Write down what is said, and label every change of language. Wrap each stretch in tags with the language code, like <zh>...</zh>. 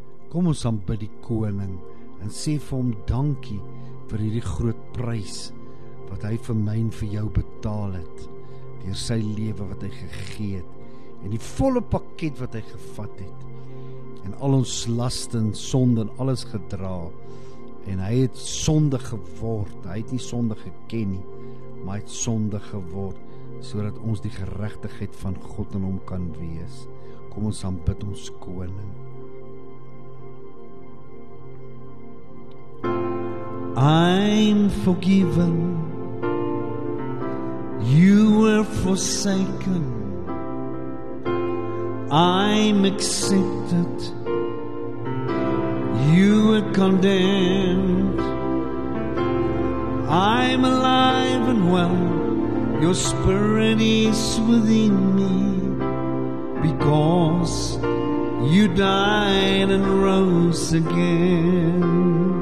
<af>Kom ons aanbid die koning en sê vir hom dankie vir hierdie groot prys wat hy vir my en vir jou betaal het, deur sy lewe wat hy gegee het, en die volle pakket wat hy gevat het, en al ons laste en sonde en alles gedra, en hy het sonde geword, hy het nie sonde geken nie, maar hy het sonde geword, sodat ons die geregtigheid van God in hom kan wees. Kom ons aanbid ons koning.</af> <en>I'm forgiven, you were forsaken, I'm accepted, you were condemned, I'm alive and well, your spirit is within me, because you died and rose again.</en>